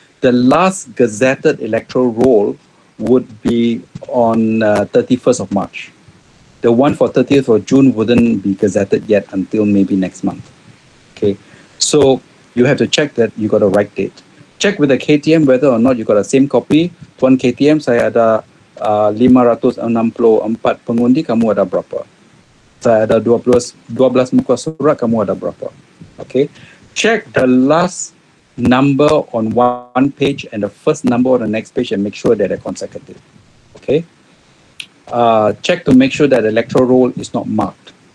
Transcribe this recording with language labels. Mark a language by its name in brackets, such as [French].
[English] the last gazetted electoral roll would be on 31st of March. The one for 30th of June wouldn't be gazetted yet until maybe next month. Okay, so you have to check that you got a right date. Check with the KTM whether or not you got a same copy. [Malay] Tuan KTM, saya ada 564 pengundi, kamu ada berapa? Saya ada 12 muka surat, kamu ada berapa? [English] Okay, check the last number on one page and the first number on the next page and make sure that they're consecutive. Okay. Check to make sure that the electoral roll is not marked.